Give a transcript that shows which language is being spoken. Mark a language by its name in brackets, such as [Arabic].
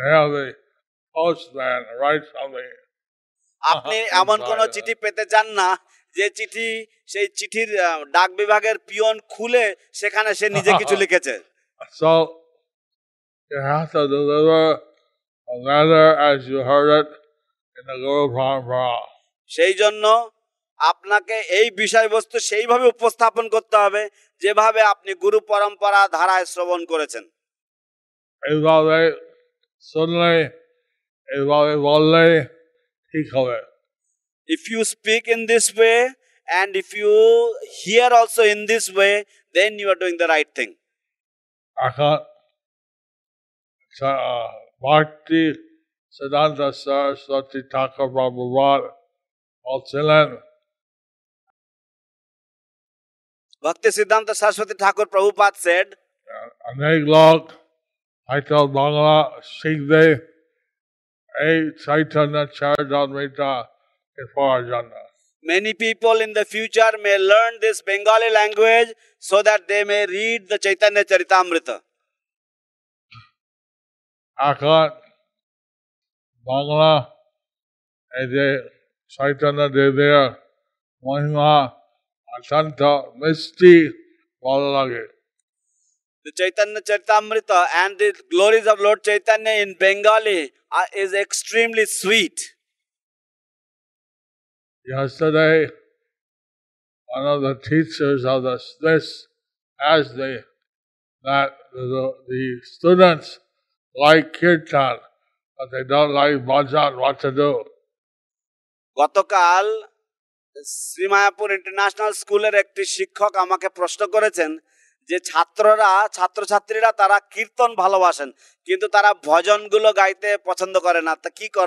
[English] Postman writes something. [Bangla] আপনি এমন কোন চিঠি পেতে চান না যে চিঠি সেই চিঠির ডাক বিভাগের পিয়ন খুলে সেখানে সে নিজে কিছু লিখেছে। [English] So you have to deliver a letter as you heard it in the Guru Parampara. [Bangla] সেই জন্য আপনাকে এই বিষয়বস্তু সেইভাবে উপস্থাপন করতে হবে যেভাবে আপনি গুরু পরম্পরা ধারায় শ্রবণ করেছেন। এইভাবে শুনলে এভাবে বললে ঠিক হবে। [English] If you speak in this way and if you hear also in this way, then you are doing the right thing. [Bangla] Bhakti Siddhanta Saraswati Thakur Prabhupada বলছিলেন [English] Bhakti Siddhanta Saraswati Thakur Prabhupada said [Bangla] অনেক লোক হয়তো বাংলা শিখবে এই চৈতন্য চরিতামৃতা পড়ার জন্য। [English] Many people in the future may learn this Bengali language so that they may read the Chaitanya Charitamrita. [Bangla] এখন বাংলা এই যে চৈতন্য দেবের মহিমা অত্যন্ত মিষ্টি ভালো লাগে। [English] The Chaitanya Charitamrita and the glories of Lord Chaitanya in Bengali is extremely sweet. Yesterday, one of the teachers of the Swiss asked me that the students like kirtan, but they don't like bhajan, what to do? [Bangla] গতকাল Shri Mayapur international স্কুলের একটি শিক্ষক আমাকে প্রশ্ন করেছেন যে ছাত্ররা ছাত্রছাত্রীরা তারা কীর্তন ভালোবাসেন কিন্তু তারা ভজন গুলো গাইতে পছন্দ করে না, তা কি